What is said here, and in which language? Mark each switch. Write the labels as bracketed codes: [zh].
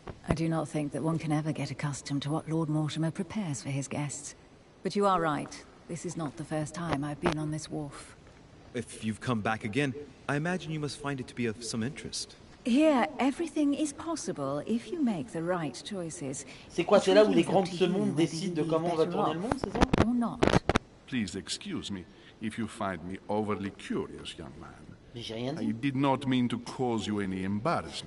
[en] I do not think that one can ever get accustomed to what Lord Mortimer prepares for his guests. But you are right. This is not the first time I've been on this wharf. If you've come back again, I imagine you must find it to be of some interest. Here, everything is possible if you make the right choices. [fr] C'est quoi, c'est là où les grands de ce monde décident de comment on va tourner le monde, c'est ça? [en] Please excuse me if you find me overly curious, young man. [fr] Mais j'ai rien dit. [en] I did not mean to cause you any embarrassment.